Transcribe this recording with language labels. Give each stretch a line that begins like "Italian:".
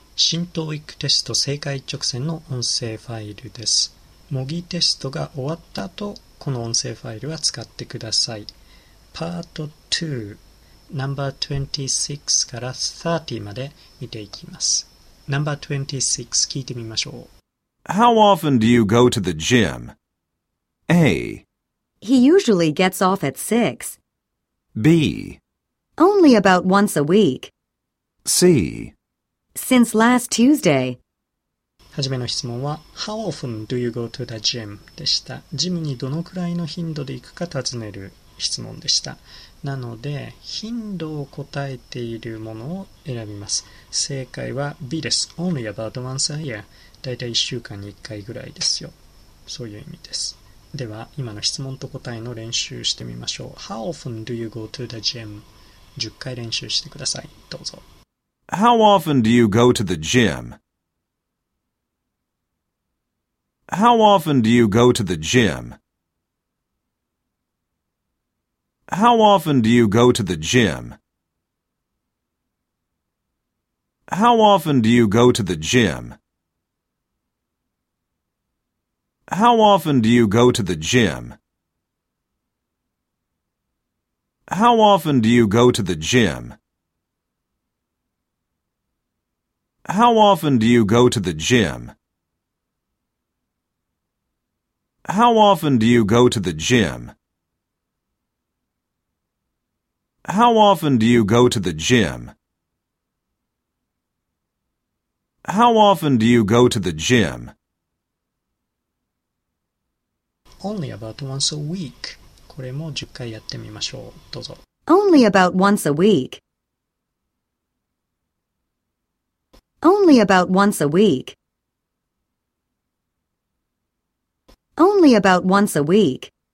Japanese: 新統育テスト正解直線の音声ファイルです。模擬テストが終わった後、この音声ファイルは使ってください。パート2 No.26 から30まで見ていきます。 No.26 聞いてみましょう。
English: How often do you go to the gym? A. He usually gets off at 6. B. Only about once a week. C. Since last Tuesday.
Japanese: はじめの質問は
English: How often do you go to the gym?
Japanese: でした。ジムにどのくらいの頻度で行くか尋ねる質問でした。なので頻度を答えているものを選びます。正解は B です。
English: Only about once a year。
Japanese: だいたい1週間に1回ぐらいですよ。そういう意味です。では今の質問と答えの練習してみましょう。
English: How often do you go to the gym?
Japanese: 10回練習してください。どうぞ。
English: How often do you go to the gym? How often do you go to the gym? How often do you go to the gym? How often do you go to the gym? How often do you go to the gym? How often do you go to the gym? How often do you go to the gym? How often do you go to the gym? How often do you go to the gym? How often do you go to the gym? Only about once a week.
Japanese: これも10回やってみましょう。どうぞ。
English: Only about once a week. Only about once a week. Only about once a week.